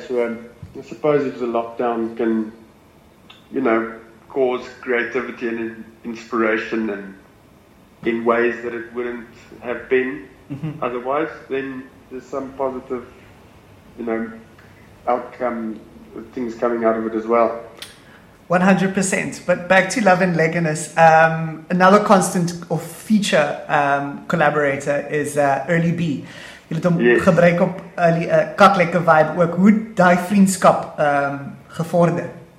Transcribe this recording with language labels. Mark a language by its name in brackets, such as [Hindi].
[English] So I suppose if the lockdown can, you know, cause creativity and inspiration and in ways that it wouldn't have been otherwise, then there's some positive, you know, outcome things coming out of it as well. 100%. But back to Love and Leghness, another constant or feature collaborator is Early B. [Afrikaans] Jy het hom gebruik op 'n katlike vibe ook. Hoe daai vriendskap gevorder?